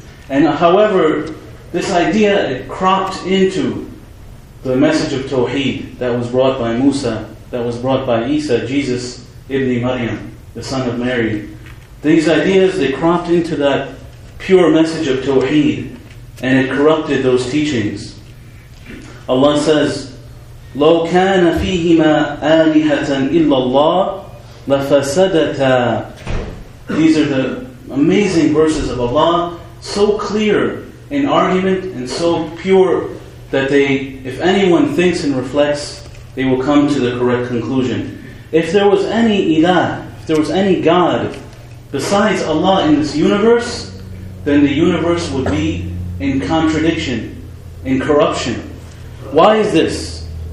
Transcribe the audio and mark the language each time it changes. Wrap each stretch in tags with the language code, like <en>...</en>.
<en>And however, this idea, it cropped into the message of Tawheed that was brought by Musa, that was brought by Isa, Jesus ibn Maryam, the son of Mary. These ideas, they cropped into that pure message of Tawheed, and it corrupted those teachings.</en> <ar>Allah says, لَوْ كَانَ فِيهِمَا آلِهَةً إِلَّا اللَّهِ لَفَسَدَتَا.</ar> <en>These are the amazing verses of Allah, so clear in argument and so pure that if anyone thinks and reflects, they will come to the correct conclusion. If there was any ilah, if there was any God besides Allah in this universe, then the universe would be in contradiction, in corruption. Why is this?</en>